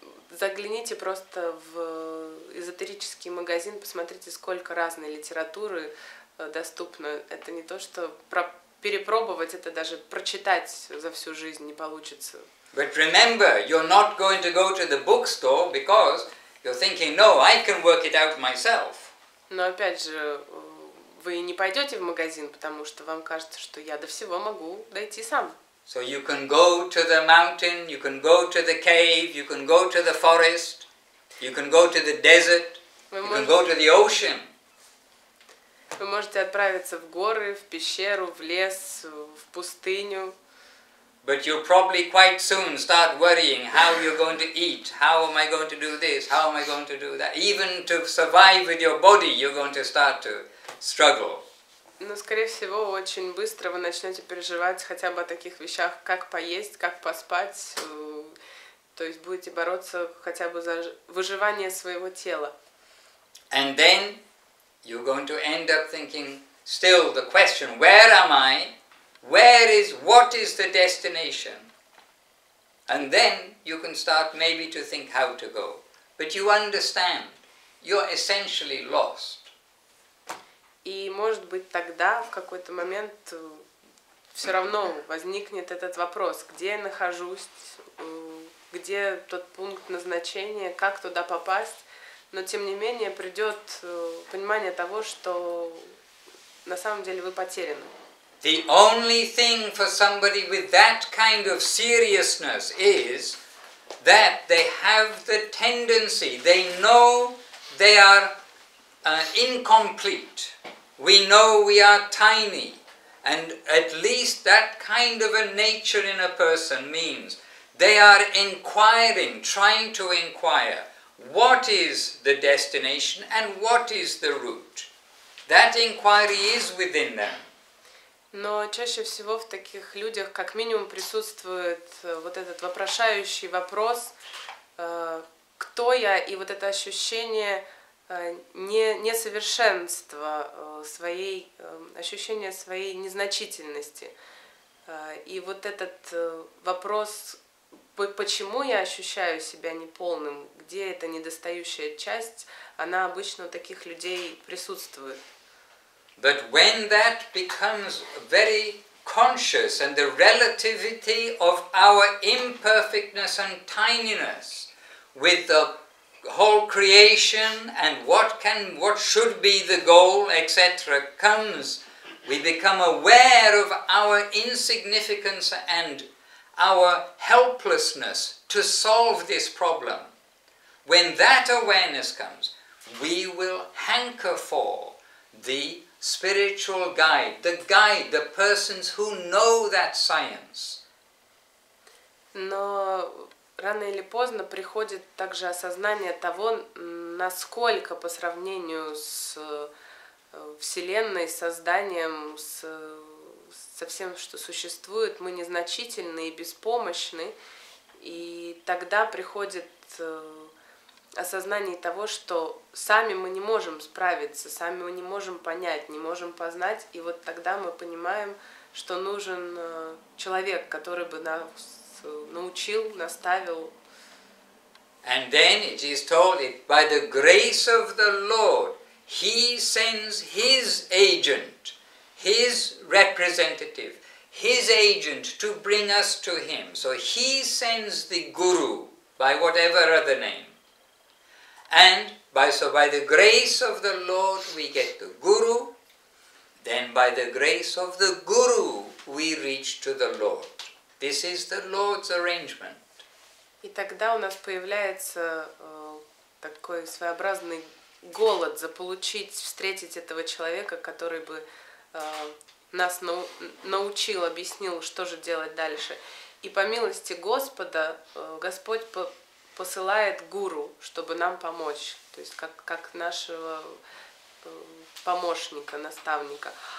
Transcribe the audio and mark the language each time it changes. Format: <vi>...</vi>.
<ru>Загляните просто в эзотерический магазин, посмотрите, сколько разной литературы доступно. Это не то, что перепробовать, это даже прочитать за всю жизнь не получится.</ru> <en>But remember, you're not going to go to the bookstore because you're thinking, no, I can work it out myself.</en> <ru>Но опять же, вы не пойдете в магазин, потому что вам кажется, что я до всего могу дойти сам.</ru> <en>So you can go to the mountain, you can go to the cave, you can go to the forest, you can go to the desert, you can go to the ocean.</en> <ru>Вы можете отправиться в горы, в пещеру, в лес, в пустыню.</ru> <en>But you'll probably quite soon start worrying how you're going to eat, how am I going to do this, how am I going to do that. Even to survive with your body, you're going to start to struggle.</en> <ru>Но, скорее всего, очень быстро вы начнете переживать хотя бы о таких вещах, как поесть, как поспать. То есть будете бороться хотя бы за выживание своего тела.</ru> <en>And then you're going to end up thinking still the question, where am I? Where is, what is the destination? And then you can start maybe to think how to go. But you understand, you're essentially lost.</en> <ru>И может быть тогда, в какой-то момент, все равно возникнет этот вопрос, где я нахожусь, где тот пункт назначения, как туда попасть. Но тем не менее придет понимание того, что на самом деле вы потеряны.</ru> <en>The only thing for somebody with that kind of seriousness is that they have the tendency, they know they are incomplete. We know we are tiny. And at least that kind of a nature in a person means they are inquiring, trying to inquire, what is the destination and what is the route? That inquiry is within them.</en> <ru>Но чаще всего в таких людях как минимум присутствует вот этот вопрошающий вопрос, кто я, и вот это ощущение несовершенства своей, ощущение своей незначительности. И вот этот вопрос, почему я ощущаю себя неполным, где эта недостающая часть, она обычно у таких людей присутствует.</ru> <en>But when that becomes very conscious and the relativity of our imperfectness and tininess with the whole creation and what should be the goal, etc., comes, we become aware of our insignificance and our helplessness to solve this problem. When that awareness comes, we will hanker for the spiritual guide, the persons who know that science.</en> <ru>Но рано или поздно приходит также осознание того, насколько по сравнению с Вселенной, созданием, со всем, что существует, мы незначительны и беспомощны, и тогда приходит осознание того, что сами мы не можем справиться, сами мы не можем понять, не можем познать, и вот тогда мы понимаем, что нужен человек, который бы нас научил, наставил.</ru> <en>And then it is told, by the grace of the Lord, He sends His agent, His representative, His agent to bring us to Him. So He sends the Guru, by whatever other name. And By the grace of the Lord we get the Guru, then by the grace of the Guru we reach to the Lord. This is the Lord's arrangement.</en> <ru>И тогда у нас появляется такой своеобразный голод заполучить, встретить этого человека, который бы нас научил, объяснил, что же делать дальше. И по милости Господа, Господь посылает гуру, чтобы нам помочь, то есть как нашего помощника, наставника.</ru>